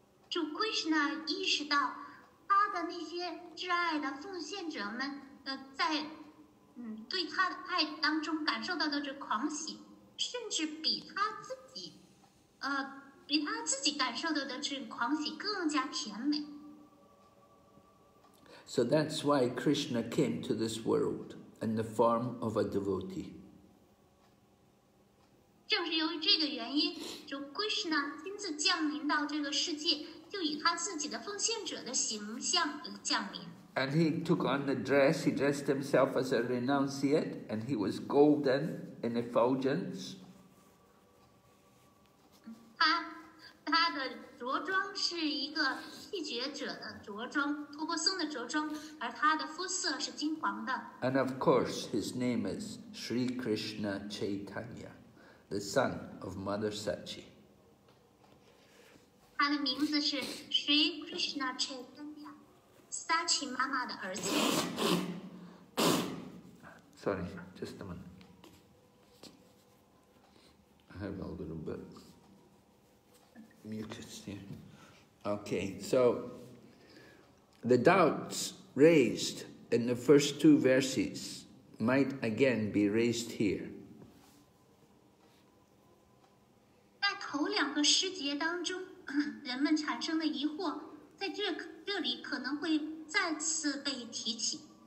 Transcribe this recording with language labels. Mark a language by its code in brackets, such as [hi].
[zh] So Krishna 意识到他的那些挚爱的奉献者们在对他的爱当中感受到的这狂喜甚至比他自己比他自己感受到的这狂喜更加甜美。 [en] So that's why Krishna came to this world in the form of a devotee. [zh] 正是由于这个原因，就 Krishna 亲自降临到这个世界，就以他自己的奉献者的形象降临。 [en] And he took on the dress, he dressed himself as a renunciate, and he was golden in effulgence. [zh] 他的着装是一个弃绝者的着装，托钵僧的着装，而他的肤色是金黄的。 [en] And of course, his name is Sri Krishna Chaitanya, the son of Mother Sachi. [zh] 他的名字是 Sri Krishna Chaitanya, Sachi 妈妈的儿子。 [en] Sorry, just a minute. I have a little bit. Mucus here. Okay, so the doubts raised in the first two verses might again be raised here. [zh] 在头两个诗节当中，人们产生的疑惑在这里可能会再次被提起。